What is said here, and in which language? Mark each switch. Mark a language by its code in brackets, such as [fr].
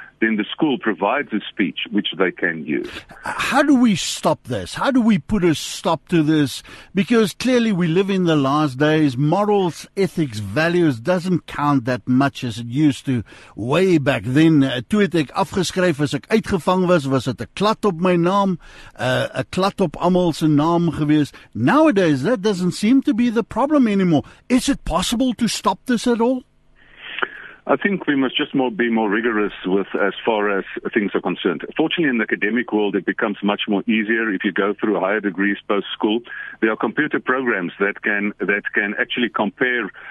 [en] Then the school provides a speech which they can use. How do we stop this? How do we put a stop to this? Because clearly we live in the last days. Morals, ethics, values doesn't count that much as it used to way back then. [af] Toe het ek afgeskryf as ek uitgevang was, was het 'n klat op my naam, 'n klat op almal se naam gewees. [en] Nowadays, that doesn't seem to be the problem anymore. Is it possible to stop this at all? I think we must just be more rigorous with as far as things are concerned. Fortunately, in the academic world, it becomes much more easier if you go through higher degrees post-school. There are computer programs that can actually compare.